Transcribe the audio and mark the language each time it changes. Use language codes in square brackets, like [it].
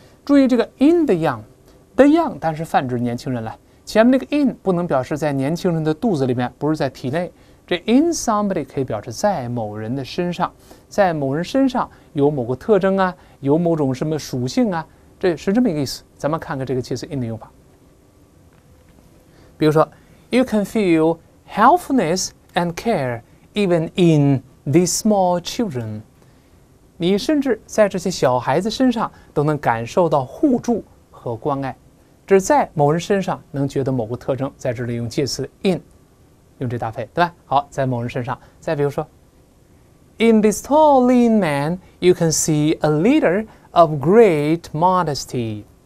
[zh] 注意这个 [en] in the young， [zh] the young 但是泛指年轻人了。前面那个 in 不能表示在年轻人的肚子里面，不是在体内。这 in somebody 可以表示在某人的身上，在某人身上有某个特征啊，有某种什么属性啊，这是这么一个意思。咱们看看这个介词 in 的用法。比如说 [en] ，You can feel healthfulness and care even in these small children。 [zh] 你甚至在这些小孩子身上都能感受到互助和关爱。只在某人身上能觉得某个特征，在这里用介词 in， 用这搭配，对吧？好，在某人身上。再比如说 [en] ，In this tall, lean man, you can see a leader of great modesty。